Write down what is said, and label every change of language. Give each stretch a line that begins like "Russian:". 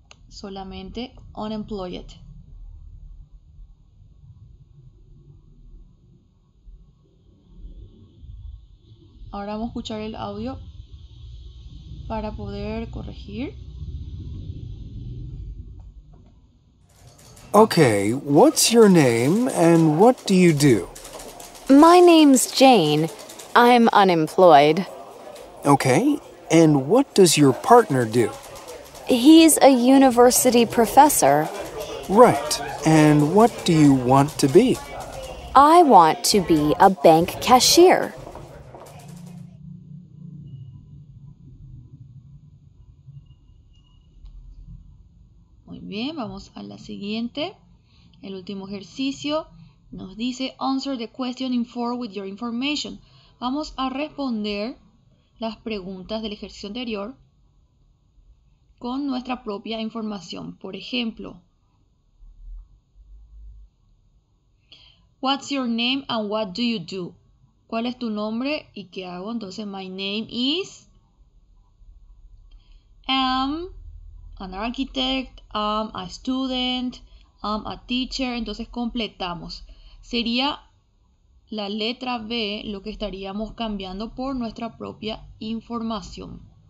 Spanish: Solamente unemployed. Ahora vamos a escuchar el audio para poder corregir.
English: Okay, what's your name and what do you do? My name's Jane. I'm unemployed. Okay, and what does your partner do? He's a university professor. Right, and what do you want to be? I want to be a bank cashier.
Spanish: Bien, vamos a la siguiente. El último ejercicio nos dice
English: answer the question in 4 with your information.
Spanish: Vamos a responder las preguntas del ejercicio anterior con nuestra propia información. Por ejemplo,
English: what's your name and what do you do?
Spanish: ¿Cuál es tu nombre y qué hago? Entonces,
English: my name is an architect, a student, a teacher.
Spanish: Entonces completamos. Sería la letra B lo que estaríamos cambiando por nuestra propia información.